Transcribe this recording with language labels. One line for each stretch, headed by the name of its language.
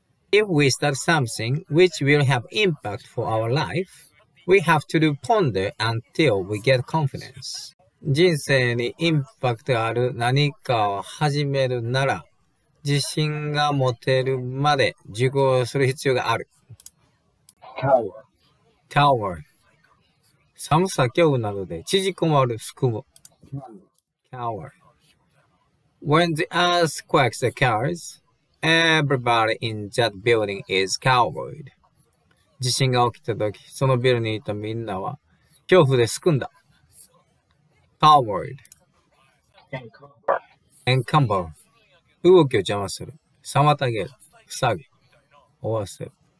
English: If we start something which will have impact for our life we have to do ponder until we get confidence
Japanese: 人生にインパクトある何かを始めるなら自信が持てるまで受講する必要がある
English: Tower
Japanese: 寒さ恐怖などで縮こまるすくむ
English: Tower When the earthquakes occurs, everybody in that building is cowered
Japanese: 地震が起きた時、そのビルにいたみんなは恐怖ですくんだ
English: Cowered Encumber
Japanese: 動きを邪魔する、妨げる、塞ぐ、追わせる